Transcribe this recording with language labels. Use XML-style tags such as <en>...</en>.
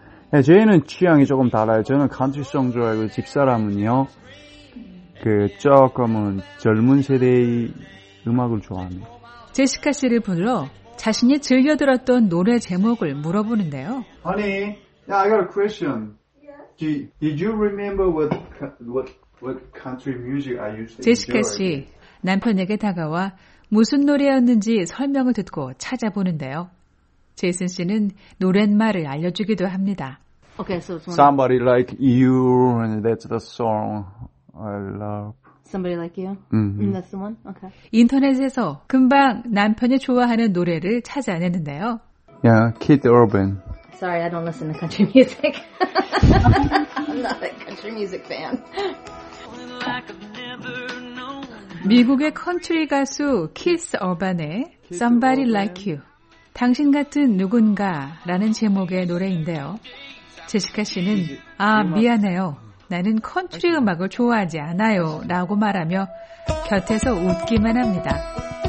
<ko>네, 저희는 취향이 조금 달라요. 저는 컨트리송 좋아하고 집사람은요, 그 조금은 젊은 세대의 음악을 좋아합니다. 제시카 씨를 불러 자신이 즐겨 들었던 노래 제목을 물어보는데요.</ko> <en>Honey, I got a question. Did you remember what country music I used to enjoy?</en> <ko>제시카 씨 남편에게 다가와 무슨 노래였는지 설명을 듣고 찾아보는데요. 제이슨 씨는 노랫말을 알려주기도 합니다.</ko> <en>Okay, so somebody like you, and that's the song I love. Somebody like you? Mm-hmm. That's the one? Okay.</en> <ko>인터넷에서 금방 남편이 좋아하는 노래를 찾아내는데요.</ko> <en>Yeah, Keith Urban. Sorry, I don't listen to country music. I'm not a country music fan.</en> <ko>미국의 컨트리 가수 키스 어반의 Somebody Like You, 당신 같은 누군가라는 제목의 노래인데요. 제시카 씨는 아 미안해요, 나는 컨트리 음악을 좋아하지 않아요 라고 말하며 곁에서 웃기만 합니다.</ko>